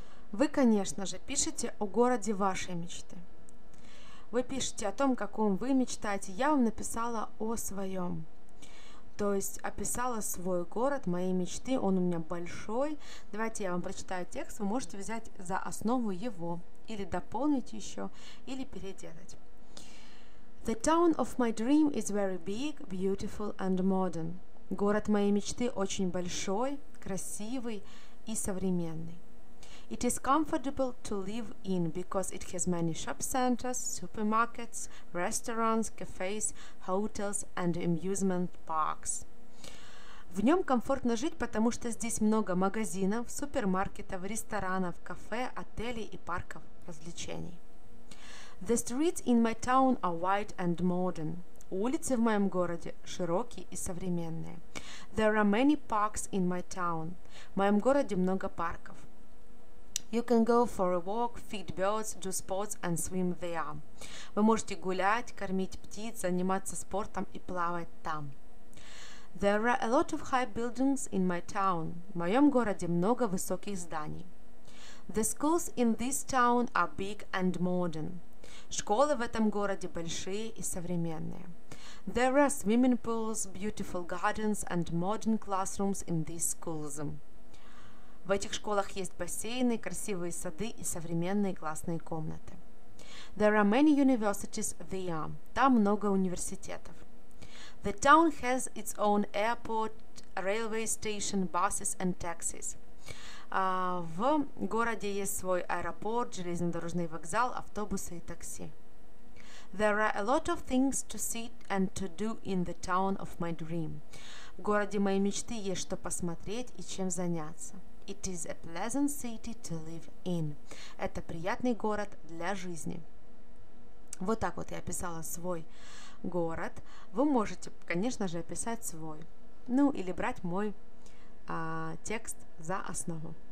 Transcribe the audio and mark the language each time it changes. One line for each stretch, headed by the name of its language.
Russian: Вы, конечно же, пишете о городе вашей мечты. Вы пишете о том, каком вы мечтаете. Я вам написала о своем. То есть описала свой город, мои мечты. Он у меня большой. Давайте я вам прочитаю текст. Вы можете взять за основу его. Или дополнить еще, или переделать.
English: The town of my dream is very big, beautiful and modern.
Russian: Город моей мечты очень большой, красивый и современный.
English: It is comfortable to live in because it has many shop centers, supermarkets, restaurants, cafes, hotels and amusement parks.
Russian: В нем комфортно жить, потому что здесь много магазинов, супермаркетов, ресторанов, кафе, отелей и парков развлечений.
English: The streets in my town are wide and modern.
Russian: Улицы в моем городе широкие и современные.
English: There are many parks in my town.
Russian: В моем городе много парков.
English: You can go for a walk, feed birds, do sports and swim there.
Russian: Вы можете гулять, кормить птиц, заниматься спортом и плавать там.
English: There are a lot of high buildings in my town.
Russian: В моем городе много высоких зданий.
English: The schools in this town are big and modern.
Russian: Школы в этом городе большие и современные.
English: There are swimming pools, beautiful gardens and modern classrooms in these schools.
Russian: В этих школах есть бассейны, красивые сады и современные классные комнаты.
English: There are many universities there.
Russian: Там много университетов.
English: The town has its own airport, railway station, buses and taxis.
Russian: В городе есть свой аэропорт, железнодорожный вокзал, автобусы и такси.
English: There are a lot of things to see and to do in the town of my dream.
Russian: В городе моей мечты есть что посмотреть и чем заняться.
English: It is a pleasant city to live in.
Russian: Это приятный город для жизни. Вот так вот я описала свой город. Вы можете, конечно же, описать свой. Ну, или брать мой текст за основу.